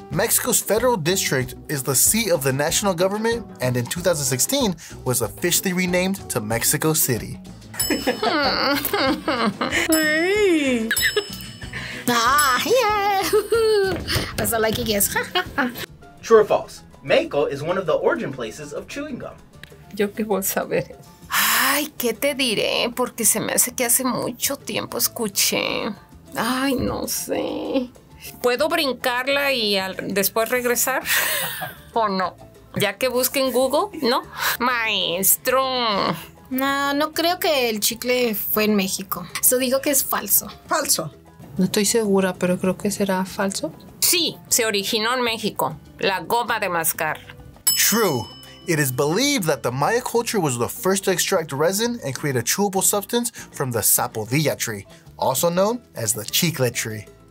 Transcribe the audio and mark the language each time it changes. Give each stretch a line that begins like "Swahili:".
English: Mexico's federal district is the seat of the national government and in 2016 was officially renamed to Mexico City. Hey. Ah, yeah. That's a lucky guess. True or false? Mexico is one of the origin places of chewing gum.
Spanish: Yo qué voy a saber. Ay, ¿qué te diré? Porque se me hace que hace mucho tiempo escuché. Ay, no sé. ¿Puedo brincarla y después regresar? ¿O no? Ya que busque en Google, ¿no? Maestro. No, no creo que el chicle fue en México. Eso digo que es falso. Falso. No estoy segura, pero creo que será falso. Sí, se originó en México. La goma de mascar.
English: True. It is believed that the Maya culture was the first to extract resin and create a chewable substance from the zapodilla tree, also known as the chicle tree.